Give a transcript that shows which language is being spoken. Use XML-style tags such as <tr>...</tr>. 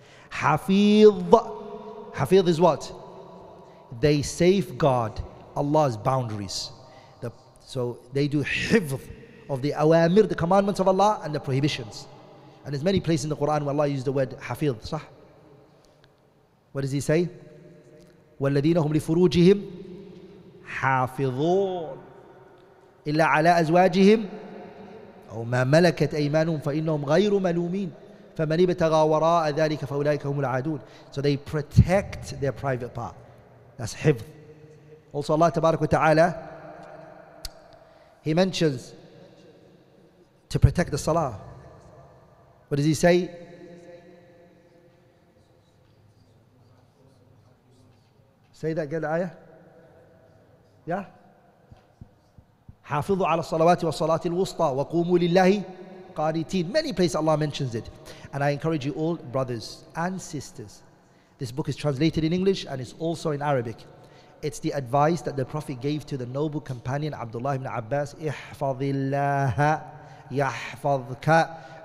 <en>Hafidh. Hafidh is what? They safeguard Allah's boundaries. So they do hifdh of the awamir, the commandments of Allah, and the prohibitions. And there's many places in the Quran where Allah used the word hafidh, صح? What does he say?</en> <ar>وَالَّذِينَ هُمْ لِفُرُوجِهِمْ حَافِظُونَ إِلَّا عَلَىٰ أَزْوَاجِهِمْ أَوْ مَا مَلَكَتْ أَيْمَانُهُمْ فَإِنَّهُمْ غَيْرُ مَلُومِينَ فَمَنِ بَتَغَى وَرَاءَ ذَلِكَ فَأُولَٰئِكَ هُمُ الْعَادُونَ</ar> <en>So they protect their private part. That's hifdh. Also Allah tabarak wa ta'ala, He mentions to protect the salah. What does he say? Say that again, ayah.</en> <ar>Yeah? حافظوا على الصلوات والصلاة الوسطى وقوموا لله Qaritin.</ar> <en>Many places Allah mentions it. And I encourage you all, brothers and sisters, this book is translated in English and it's also in Arabic. It's the advice that the Prophet gave to the noble companion Abdullah ibn Abbas.</en> <ar>Ihfadillaha yahfadka.</ar>